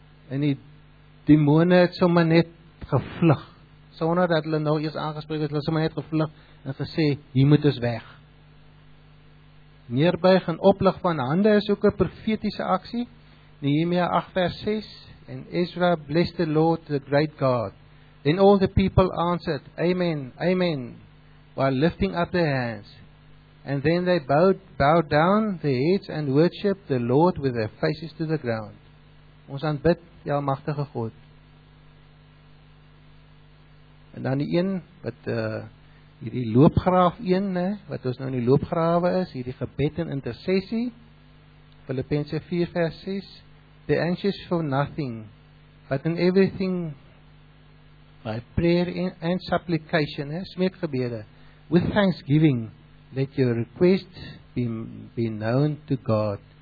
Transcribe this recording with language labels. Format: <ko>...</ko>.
<af>En die demone het sommer net gevlug. Sonder dat hulle nou eers aangespreek het, hulle sommer net gevlug en gesê, hier moet ons weg. Neerbuig en oplig van hande is ook 'n profetiese aksie.</af> <en>Nehemia 8 vers 6, and Ezra blessed the Lord, the great God. Then all the people answered, Amen, Amen, while lifting up their hands. And then they bowed down their heads and worshipped the Lord with their faces to the ground.</en> <af>Ons aanbid die almagtige God. En dan die een, wat hierdie loopgraaf een, ne, wat ons nou in die loopgrawe is, hierdie gebed en intercessie, Filippense 4 vers 6,</af> <en>Be anxious for nothing, but in everything, by prayer and supplication,</en> <af>smeekgebede,</af> <en>with thanksgiving, let your request be known to God.</en>